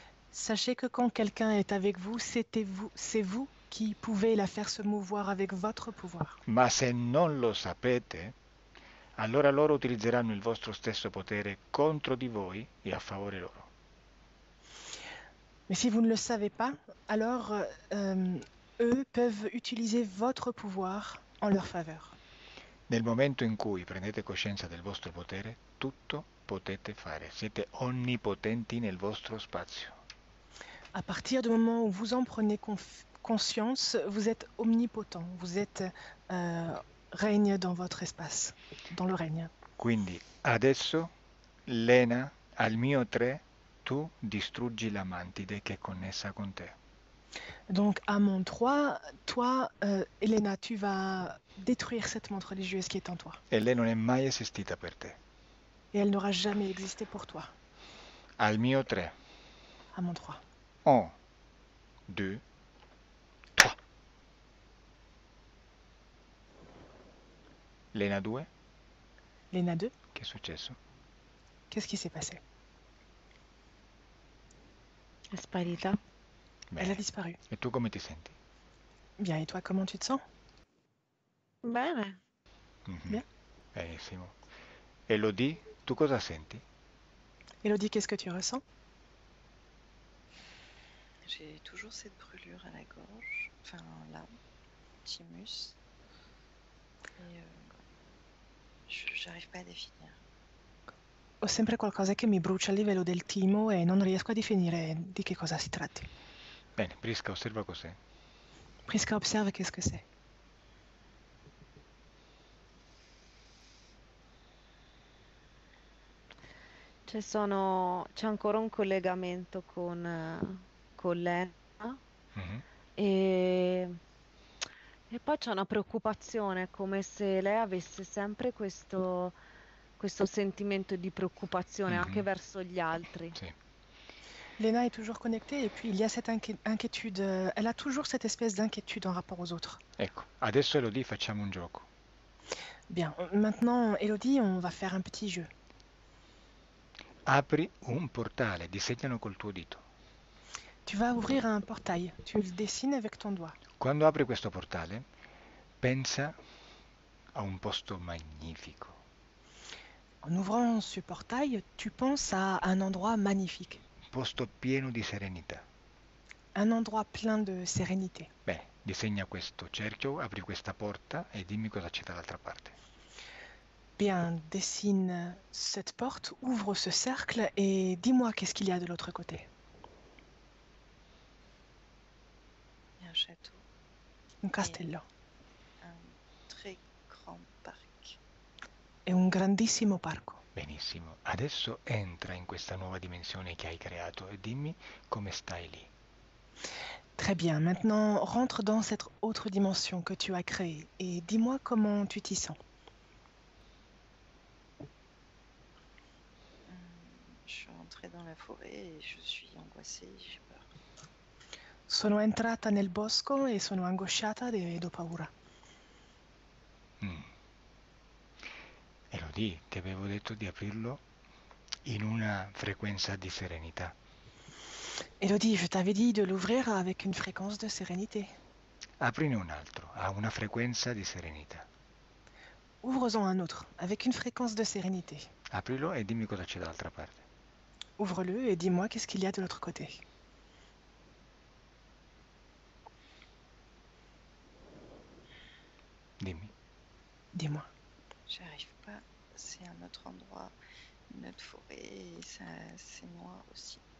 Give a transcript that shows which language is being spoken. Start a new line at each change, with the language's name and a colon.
French: Sachez que quand quelqu'un est avec vous, c'est vous qui pouvez la faire se mouvoir avec votre pouvoir.
Italian: Ma se non lo sapete, allora loro utilizzeranno il vostro stesso potere contro di voi e a favore loro.
French: Mais si vous ne le savez pas, alors eux peuvent utiliser votre pouvoir en leur faveur.
Italian: Nel momento in cui prendete coscienza del vostro potere, tutto potete fare. Siete onnipotenti nel vostro spazio.
French: À partir du moment où vous en prenez conscience, vous êtes omnipotent, vous êtes règne dans votre espace, dans le règne.
Italian: Quindi, adesso, Lena, al mio 3, tu distruggi la mantide che è connessa con te.
French: Donc, à mon 3, toi, Elena, tu vas détruire cette montre religieuse qui est en toi.
Italian: E lei non è mai esistita per te.
French: Et elle n'aura jamais existé pour toi.
Italian: Al mio 3.
French: À mon 3.
Italian: 1, 2, 3. Lena 2. Lena 2. Che è successo?
French: Qu'est-ce qui s'est passé?
Italian: È sparita.
French: Elle a
Italian: Bene.
French: disparu.
Italian: E tu come ti senti?
French: Bien, et toi, comment tu te sens?
Italian: Bene. Benissimo. Elodie, tu cosa senti?
French: Elodie, qu'est-ce que tu ressens? J'ai toujours cette brûlure à la gorge, enfin là, thymus. Et j'arrive pas à définir.
Italian: Ho sempre qualcosa che mi brucia a livello del timo e non riesco a definire di che cosa si tratti. Bene, Prisca, osserva cos'è.
French: Prisca, observe qu'est-ce que c'è.
Italian: C'è ancora un collegamento con Lena e poi c'è una preoccupazione, come se lei avesse sempre questo sentimento di preoccupazione anche verso gli altri.
French: Lena est toujours connectée et puis il y a cette inquiétude, elle a toujours cette espèce d'inquiétude en rapport aux autres.
Italian: Ecco, adesso Elodie, facciamo un gioco.
French: Bien, maintenant, Elodie, on va faire un petit jeu.
Italian: Apri un portale, disegnalo col tuo dito.
French: Tu vas ouvrir un portail, tu le dessines avec ton doigt.
Italian: Quando apri questo portale, pensa a un posto magnifico.
French: En ouvrant ce portail, tu penses à un endroit magnifique.
Italian: Posto pieno di serenità.
French: Un endroit plein de sérénité.
Italian: Beh, disegna questo cerchio, apri questa porta e dimmi cosa c'è dall'altra parte.
French: Bien, dessine cette porte, ouvre ce cercle et dis-moi qu'est-ce qu'il y a de l'autre côté. Un château Un et
Italian: castello.
French: un très grand parc.
Italian: È un grandissimo parco. Benissimo, adesso entra in questa nuova dimensione che hai creato e dimmi come stai lì.
French: Très bien, maintenant rentre dans cette autre dimension que tu as créée et dis-moi comment tu t'y sens. Je suis en rentrée dans la forêt et je suis angoissée, j'ai peur.
Italian: Sono entrata nel bosco e sono angosciata e ho paura. Elodie, ti avevo detto di aprirlo in una frequenza di serenità.
French: Elodie, je t'avais dit de l'ouvrir avec une fréquence de sérénité.
Italian: Aprine un altro, a una frequenza di serenità.
French: Ouvrons-en un autre, avec une fréquence de sérénité.
Italian: Aprilo e dimmi cosa c'è dall'altra parte.
French: Ouvre-le et dis-moi qu'est-ce qu'il y a de l'autre côté.
Italian: Dimmi.
French: Dis-moi. J'arrive pas, c'est un autre endroit, une autre forêt, c'est moi aussi.